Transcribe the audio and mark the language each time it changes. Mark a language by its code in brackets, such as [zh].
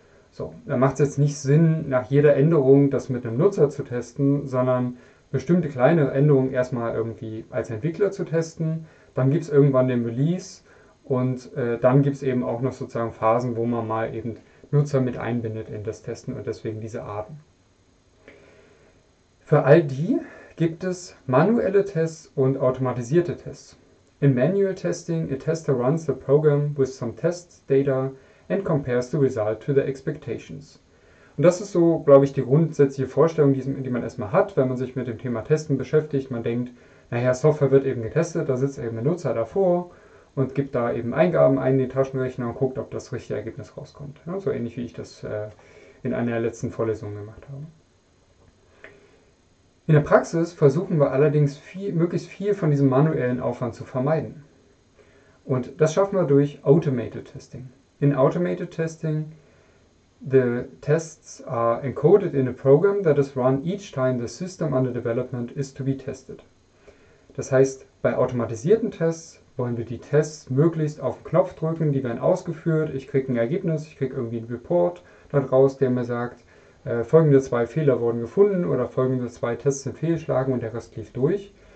[de] So, da macht es jetzt nicht Sinn, nach jeder Änderung das mit einem Nutzer zu testen, sondern bestimmte kleine Änderungen erstmal irgendwie als Entwickler zu testen. Dann gibt es irgendwann den Release und dann gibt es eben auch noch sozusagen Phasen, wo man mal eben Nutzer mit einbindet in das Testen und deswegen diese Arten. Für all die gibt es manuelle Tests und automatisierte Tests. [en] In manual testing, a tester runs the program with some test data and compares the result to the expectations. [de] Und das ist so, glaube ich, die grundsätzliche Vorstellung, die man erstmal hat, wenn man sich mit dem Thema Testen beschäftigt. Man denkt, naja, Software wird eben getestet, da sitzt eben ein Nutzer davor und gibt da eben Eingaben ein in den Taschenrechner und guckt, ob das richtige Ergebnis rauskommt. Ja, so ähnlich wie ich das in einer der letzten Vorlesungen gemacht habe. In der Praxis versuchen wir allerdings möglichst viel von diesem manuellen Aufwand zu vermeiden. Und das schaffen wir durch Automated Testing. [en] In Automated Testing, the tests are encoded in a program that is run each time the system under development is to be tested. [de] Das heißt, bei automatisierten Tests wollen wir die Tests möglichst auf den Knopf drücken, die werden ausgeführt, ich kriege ein Ergebnis, ich kriege irgendwie einen Report daraus, der mir sagt, folgende zwei Fehler wurden gefunden oder folgende zwei Tests sind fehlgeschlagen und der Rest lief durch.